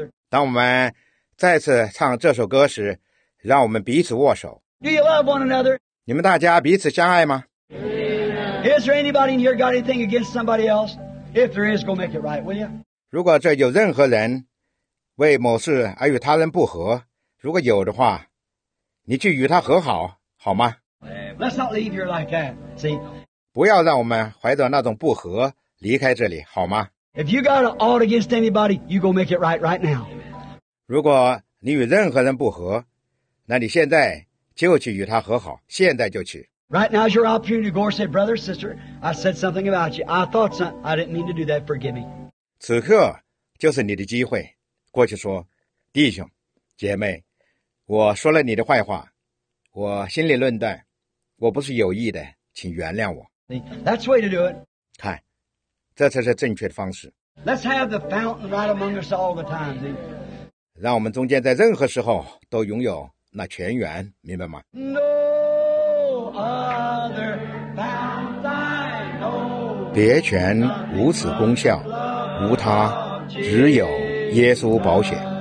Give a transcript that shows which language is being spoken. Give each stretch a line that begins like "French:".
Chinese: 当我们再次唱这首歌时，让我们彼此握手。
English: Do you love one another?
Chinese: 你们大家彼此相爱吗？
English: Is there anybody in here got anything against somebody else? If there is, go make it right, will you?
Chinese: 如果这有任何人为某事而与他人不和，如果有的话，你去与他和好，好吗？
English: Let's not leave here like that, see?
Chinese: 不要让我们怀着那种不和离开这里，好吗？
English: If you got an ought against anybody, you go make it right right now.
Chinese: 如果你与任何人不和，那你现在就去与他和好，现在就去。
English: Right now is your opportunity to go and say, brother, sister, I said something about you. I thought something, I didn't mean to do that, forgive me.
Chinese: 此刻就是你的机会。过去说，弟兄姐妹，我说了你的坏话，我心里论断，我不是有意的，请原谅我。
English: That's the way to do it.
Chinese: 看，这才是正确的方式。
English: Let's have the fountain right among us all the time.
Chinese: 让我们中间在任何时候都拥有那泉源，明白吗？
English: No other fountain, no.
Chinese: 别泉无此功效，无他，只有耶稣宝血。